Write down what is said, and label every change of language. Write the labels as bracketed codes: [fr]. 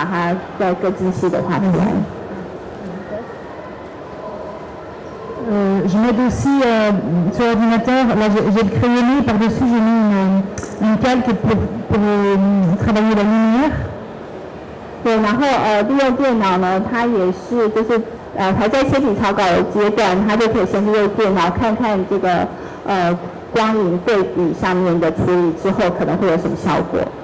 [zh] 那他就看那个得出来的结果，大概大致上再把它再更精细的画出来。 [fr] Je m'aide aussi sur l'ordinateur, là j'ai le crayonné, par-dessus j'ai mis une calque pour travailler la lumière. Et [zh] 光影对比上面的处理之后可能会有什么效果。